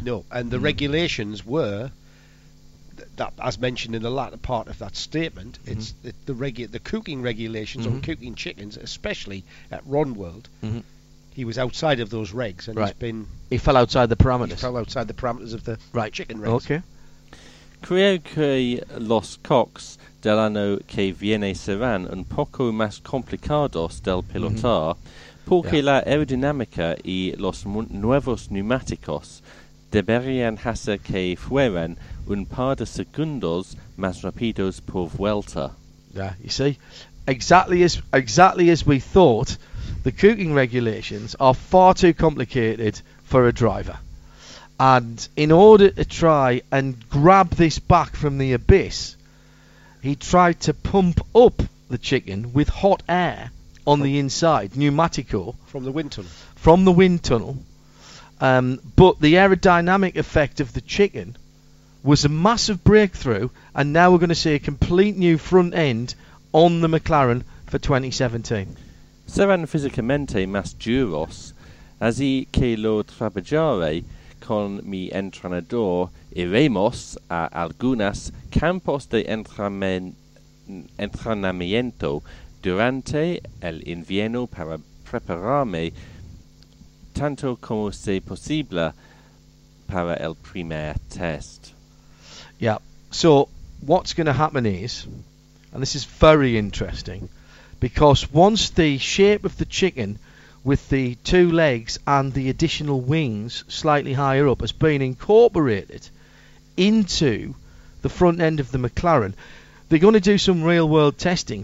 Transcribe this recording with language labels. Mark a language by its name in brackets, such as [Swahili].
[English] No, and the regulations were, that as mentioned in the latter part of that statement, it's the cooking regulations on cooking chickens, especially at Ron World, he was outside of those regs, and he's been... He fell outside the parameters. He fell outside the parameters of the chicken regs. Okay. [Spanish] Creo que los Cox del año que viene serán un poco más complicados del pilotar, porque la aerodinámica y los nuevos neumáticos deberían hacer que fueran un par de segundos más rápidos por vuelta. [English] Yeah, you see, exactly as we thought, the cooking regulations are far too complicated for a driver. And in order to try and grab this back from the abyss, he tried to pump up the chicken with hot air on the inside, pneumatico. From the wind tunnel. From the wind tunnel. But the aerodynamic effect of the chicken was a massive breakthrough, and now we're going to see a complete new front end on the McLaren for 2017. [Spanish] Serán físicamente más duros, así que lo trabajaré con mi entrenador, iremos a algunas campos de entrenamiento durante el invierno para prepararme tanto como se posible para el primer test. [English] Yeah. So what's going to happen is, and this is very interesting, because once the shape of the chicken with the two legs and the additional wings slightly higher up has been incorporated into the front end of the McLaren, they're going to do some real world testing.